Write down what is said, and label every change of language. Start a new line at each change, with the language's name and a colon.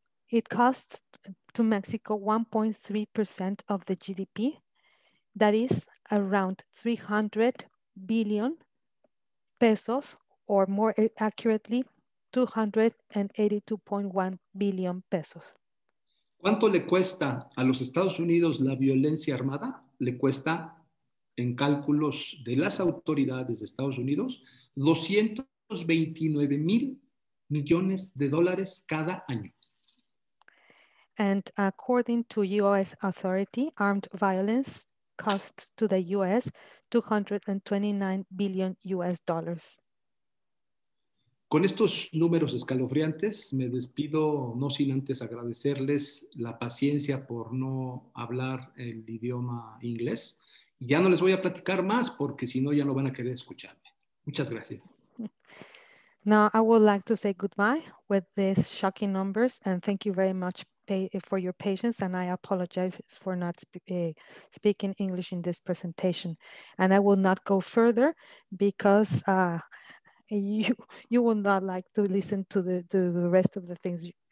English: It costs to Mexico 1.3% of the GDP, that is around 300 billion pesos, or more accurately, 282.1 billion pesos.
Spanish: ¿Cuánto le cuesta a los Estados Unidos la violencia armada? Le cuesta, en cálculos de las autoridades de Estados Unidos, 229 mil millones de dólares cada año.
English: And according to U.S. authority, armed violence costs to the U.S. 229 billion U.S. dollars.
Spanish: Con estos números escalofriantes, me despido no sin antes agradecerles la paciencia por no hablar el idioma inglés. Ya no les voy a platicar más porque si no ya no van a querer escucharme. Muchas gracias.
English: Now I would like to say goodbye with these shocking numbers and thank you very much for your patience, and I apologize for not speaking English in this presentation. And I will not go further because you will not like to listen to the rest of the things.